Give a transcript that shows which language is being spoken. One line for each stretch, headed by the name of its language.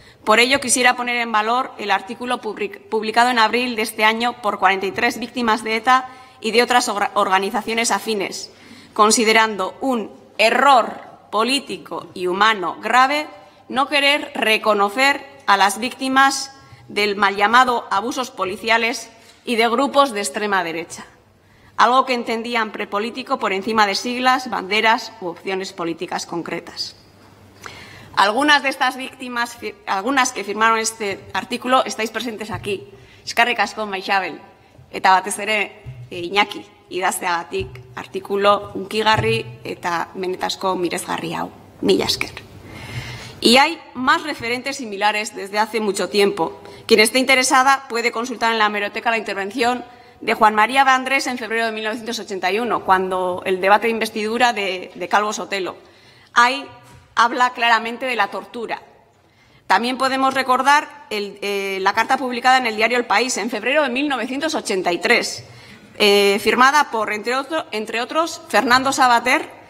Spanish: Por ello, quisiera poner en valor el artículo publicado en abril de este año por 43 víctimas de ETA y de otras organizaciones afines, considerando un error político y humano grave no querer reconocer a las víctimas del mal llamado abusos policiales y de grupos de extrema derecha, algo que entendían prepolítico por encima de siglas, banderas u opciones políticas concretas. Algunas de estas víctimas, algunas que firmaron este artículo, estáis presentes aquí.
Basque: Eskerrik asko, Maixabel, eta batez ere Iñaki, idazteagatik artikulu hunkigarri eta benetazko miresgarri hau. Mila esker.
Spanish: Y hay más referentes similares desde hace mucho tiempo. Quien esté interesada puede consultar en la hemeroteca la intervención de Juan María Vandrés en febrero de 1981, cuando el debate de investidura de Calvo Sotelo. Ahí habla claramente de la tortura. También podemos recordar la carta publicada en el diario El País en febrero de 1983, firmada por, entre otros, Fernando Savater